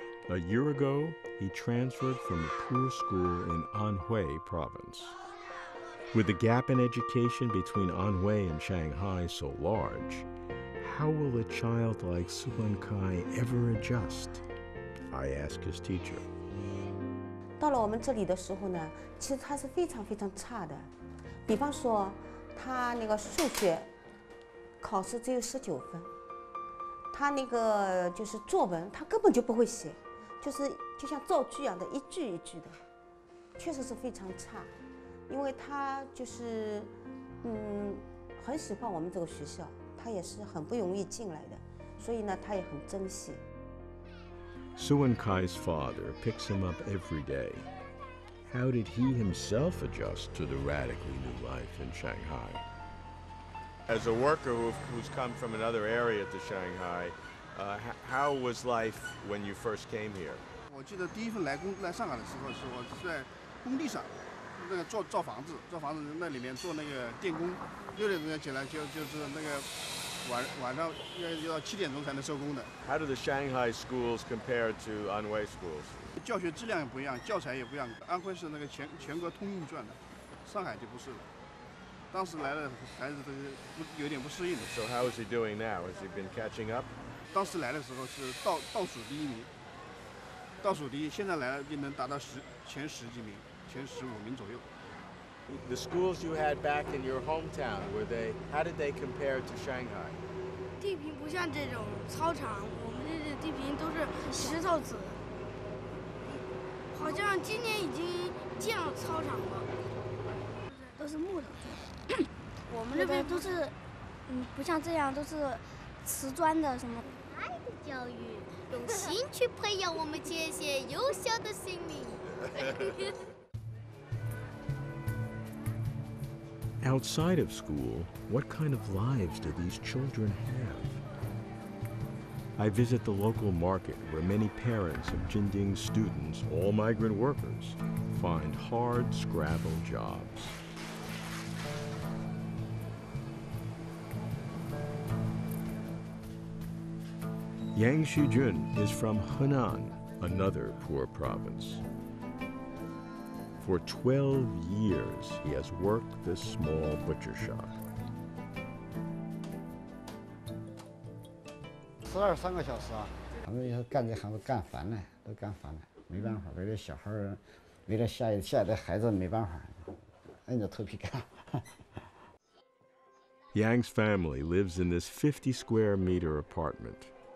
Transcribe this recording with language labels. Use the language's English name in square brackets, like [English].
[English] A year ago, he transferred from a poor school in Anhui province. With the gap in education between Anhui and Shanghai so large, how will a child like Suen Kai ever adjust? I ask his teacher. [Chinese] 到了我们这里的时候呢，其实他是非常非常差的。比方说，他那个数学考试只有19分。他那个就是作文他根本就不会写，就是就像造句一样的，一句一句的，确实是非常差。因为他就是很喜欢我们这个学校，他也是很不容易进来的，所以呢他也很珍惜。 [English] Suen Kai's father picks him up every day. How did he himself adjust to the radically new life in Shanghai? As a worker who's come from another area to Shanghai, how was life when you first came here? [Chinese] 我记得第一份来上海的时候是我在工地上，那个造房子，那里面做那个电工，6点钟要起来，就是那个晚上要7点钟才能收工的。 [English] How do the Shanghai schools compare to Anhui schools? [Chinese] 教学质量也不一样，教材也不一样。安徽是那个全国通用卷的，上海就不是了。当时来了，孩子都有点不适应的。 [English] So how is he doing now? Has he been catching up? [Chinese] 当时来的时候是倒数第一名，倒数第一。现在来了就能达到前十几名，前十五名左右。 [English] The schools you had back in your hometown, were they? How did they compare to Shanghai? [Chinese] 地坪不像这种操场，我们这地坪都是石头子。好像今年已经建了操场了，都是木头。我们这边都是，不像这样，都是瓷砖的什么。爱的教育，用心去培养我们这些优秀的心灵。 [English] Outside of school, what kind of lives do these children have? I visit the local market where many parents of Jinding's students, all migrant workers, find hard scrabble jobs. Yang Xujun is from Henan, another poor province. For 12 years, he has worked this small butcher shop. [Chinese] 12-13个小时啊，我们也干这行都干烦了，没办法，为了小孩，为了下一代的孩子没办法，硬着头皮干。 [English] Yang's family lives in this 50 square meter apartment.